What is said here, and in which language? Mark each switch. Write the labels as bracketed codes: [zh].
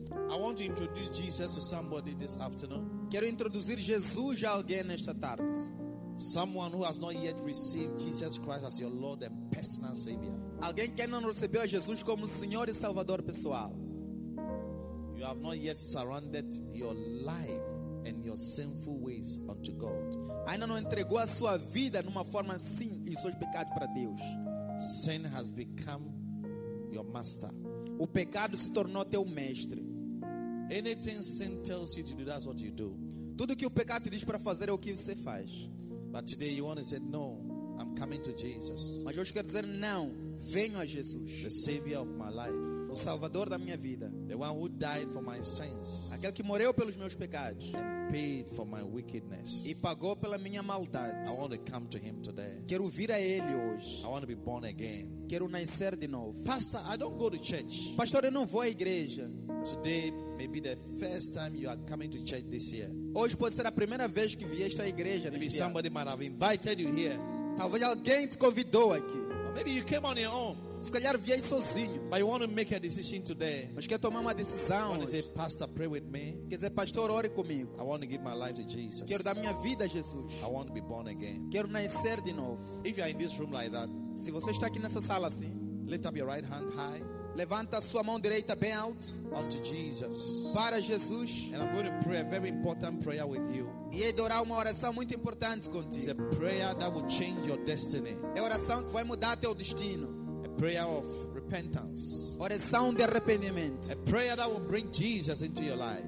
[en] I want to introduce Jesus to somebody this afternoon. [pt] Quero introduzir Jesus a alguém nesta tarde. [en] Someone who has not yet received Jesus Christ as your Lord and personal Savior. [pt] Alguém que ainda não recebeu a Jesus como Senhor e Salvador pessoal. [en] You have not yet surrendered your life and your sinful ways unto God. [pt] Ainda não entregou a sua vida numa forma sim e seus pecados para Deus. [en] Sin has become your master. [pt] O pecado se tornou teu mestre. [en] Anything sin tells you to do, that's what you do. [pt] Tudo que o pecado te diz para fazer é o que você faz. [en] But today you want to say, no, I'm coming to Jesus. [pt] Mas hoje quero dizer não, venho a Jesus. [en] The savior of my life. [pt] O salvador da minha vida. [en] The one who died for my sins. [pt] Aquele que morreu pelos meus pecados. [en] And paid for my wickedness. [pt] E pagou pela minha maldade. [en] I want to come to him today. [pt] Quero vir a ele hoje. [en] I want to be born again. [pt] Quero nascer de novo. [en] Pastor, I don't go to church. [pt] Pastor, eu não vou à igreja. [en] Today may be the first time you are coming to church this year. [pt] Hoje pode ser a primeira vez que vieste à igreja. [en] Maybe somebody might have invited you here. [pt] Talvez alguém te convidou aqui. [en] Or maybe you came on your own. [pt] Se calhar vieste sozinho. [en] But you want to make a decision today. [pt] Mas quer tomar uma decisão. [en] Want to say, Pastor, pray with me. [pt] Quer dizer, pastor, ore comigo. [en] I want to give my life to Jesus. [pt] Quero dar minha vida a Jesus. [en] I want to be born again. [pt] Quero nascer de novo. [en] If you are in this room like that, [pt] se você está aqui nessa sala assim, [en] lift up your right hand high. [pt] Levanta a sua mão direita bem alto. [en] Unto Jesus. [pt] Para Jesus. [en] And I'm going to pray a very important prayer with you. [pt] E é de orar uma oração muito importante contigo. [en] It's a prayer that will change your destiny. [pt] É oração que vai mudar teu destino. [en] A prayer of repentance. [pt] Oração de arrependimento. [en] A prayer that will bring Jesus into your life.